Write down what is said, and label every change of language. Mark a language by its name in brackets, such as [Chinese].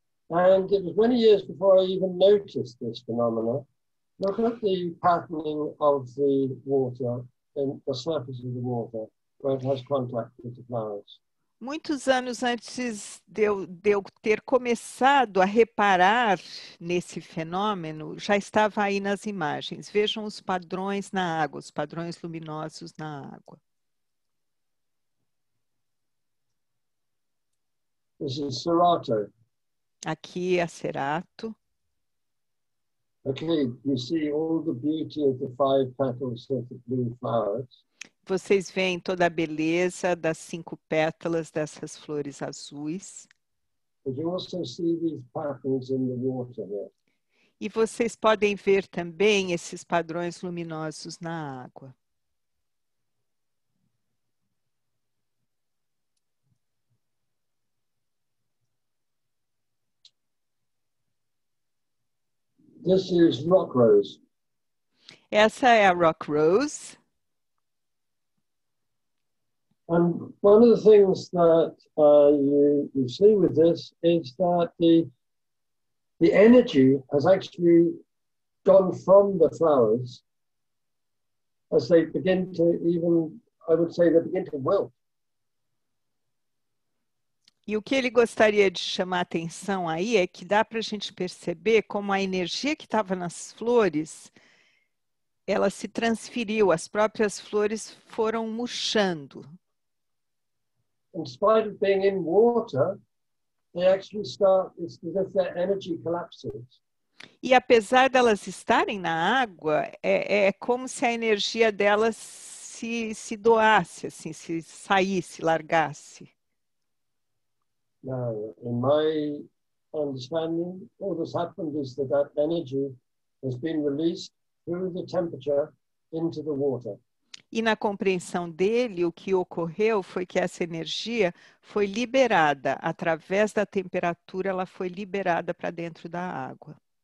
[English] And it was many years before I even noticed this phenomenon. Look at the patterning of the water, in the surface of the water, where it has contact with the flowers. [Portuguese] Muitos anos antes de eu ter começado a reparar nesse fenômeno, já estava aí nas imagens. Vejam os padrões na água, os padrões luminosos na água. [English] This is cerato. [Portuguese] Aqui é cerato. [English] Okay, you see all the beauty of the 5 petals of the blue flowers. [Portuguese] Vocês veem toda a beleza das 5 pétalas dessas flores azuis. [English] But you also see these patterns in the water here. [Portuguese] E vocês podem ver também esses padrões luminosos na água. [English] This is rock rose. [Portuguese] Essa é a Rock Rose. [English] And one of the things that you see with this is that the energy has actually gone from the flowers as they begin to even, I would say, they begin to wilt. [Portuguese] E o que ele gostaria de chamar atenção aí é que dá para a gente perceber como a energia que estava nas flores, ela se transferiu, as próprias flores foram murchando. [English] In spite of being in water, they actually start, it's as if their energy collapses. [Portuguese] E apesar delas estarem na água, é como se a energia delas se doasse, assim, se saísse, largasse. [English] Now, in my understanding, all that's happened is that energy has been released through the temperature into the water. [Portuguese] E na compreensão dele, o que ocorreu foi que essa energia foi liberada através da temperatura, ela foi liberada para dentro da água.